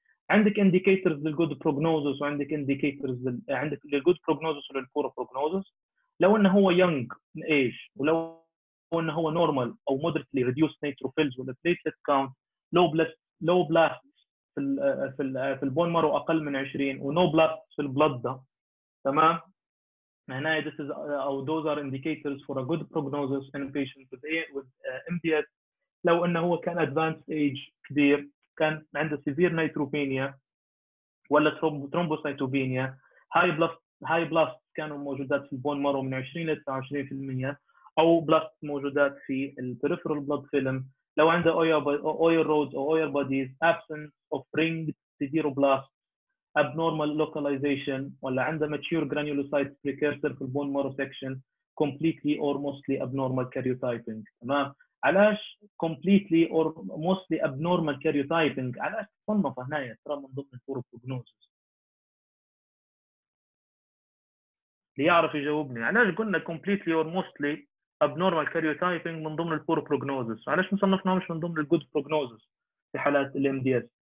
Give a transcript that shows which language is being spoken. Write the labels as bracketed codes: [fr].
[ar] عندك انديكيتورز للجود بروجنوزس، وعندك انديكيتورز عندك للجود بروجنوزس وللبور بروجنوزس. لو انه هو يونج ايج، ولو وان هو نورمال او مودريتلي ريديوس نيتروفيلز ولا بليتلت كاونت، لو بلاست في البون مارو اقل من 20، ونو بلاست في البلد. تمام، معناها [en] this is [ar] أو [en] those are indicators for a good prognosis in patients with MDS. [ar] لو أنه هو كان [en] advanced age [ar] كبير، كان عنده [en] severe neutropenia [ar] ولا thrombocytopenia، [en] high blast [ar] كانوا موجودات في البون مارو من 20 إلى 29%، أو blast موجودات في ال [en] peripheral blood film. [ar] لو عنده [en] oil roads [ar] أو [en] oil bodies, absence of ringed severe blast, abnormal localization، [ar] ولا عنده [en] mature granulocyte precursor [ar] في البون مارو [en] section, completely or mostly abnormal karyotyping. [ar] تمام؟ علاش [en] completely or mostly abnormal karyotyping؟ [ar] علاش تصنف هنا يا ترى من ضمن الفور بروجنوزز؟ ليعرف يجاوبني، علاش قلنا completely or mostly abnormal karyotyping من ضمن الفور بروجنوزز؟ علاش مصنفناهمش من ضمن الجود بروجنوزز في حالات الـ MDS؟